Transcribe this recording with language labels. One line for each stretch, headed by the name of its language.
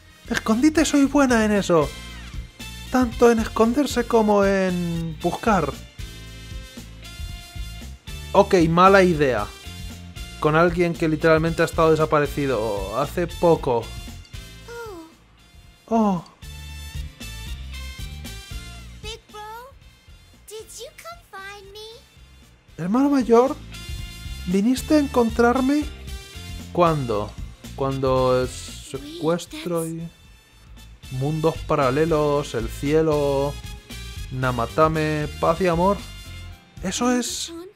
Spanish: Escondite, soy buena en eso. Tanto en esconderse como en buscar. Ok, mala idea. Con alguien que literalmente ha estado desaparecido hace poco. Oh.
English: Big bro, did you come find me?
Spanish: Hermano mayor, ¿viniste a encontrarme? ¿Cuándo? Cuando secuestro y... Mundos paralelos, el cielo, Namatame, paz y amor. Eso es...